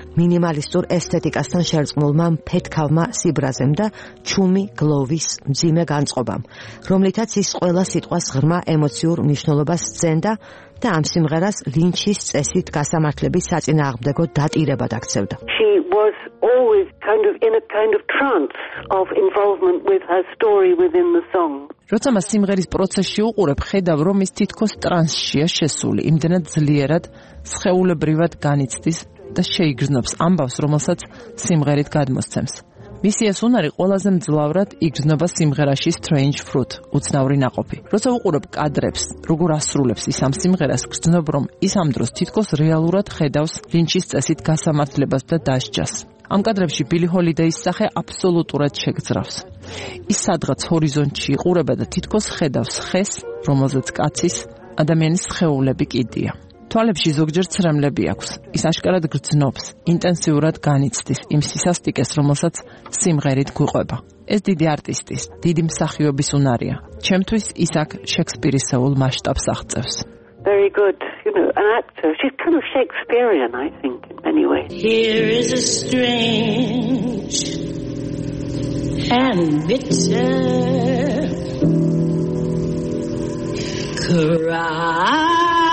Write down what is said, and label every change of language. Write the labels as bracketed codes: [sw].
[ka] მინიმალისტურ ესთეტიკასთან შერწყმულმა ფეთქავმა სიბრაზემ და ჩუმი გლოვის მძიმე განწყობამ, რომლითაც ის ყველა სიტყვას ღრმა ემოციურ მნიშვნელობას ზენდა და ამ სიმღერას ლინჩის წესით გასამართლების საწინააღმდეგო დატირება დაქცევდა. [en] Was always kind of in a kind of trance of involvement with her story within the song. [ka] როცა მას სიმღერის პროცესში უყურებ, ხედავ, რომ ის თითქოს ტრანსშია შესული, იმდენად ძლიერად სხეულებრივად განიცდის და შეიგრძნობს ამბავს, რომელსაც სიმღერით გადმოსცემს. მისი ეს უნარი ყველაზე მძლავრად იგრძნობა სიმღერაში Strange Fruit, უცნაური ნაყოფი. როცა უყურებ კადრებს, როგორ ასრულებს ის ამ სიმღერას, გრძნობ, რომ ის ამ დროს თითქოს რეალურად ხედავს ლინჩის წესით გასამართლებას და დასჯას. ამ კადრებში ბილი ჰოლიდეის სახე აბსოლუტურად შეგძრავს. ის სადღაც ჰორიზონტში იყურება და თითქოს ხედავს ხეს, რომელზეც კაცის, ადამიანის სხეულები კიდია. თვალებში ზოგჯერ ცრემლები აქვს. ის აშკარად გრძნობს, ინტენსიურად განიცდის იმ სისასტიკეს, რომელსაც სიმღერით გვიყვება. ეს დიდი არტისტის, დიდი მსახიობის უნარია. ჩემთვის ის აქ შექსპირისეულ მასშტაბს აღწევს. [en] Very good, you know, an actor. She's kind of Shakespearean, I think, in many ways. Here is a strange and bitter cry.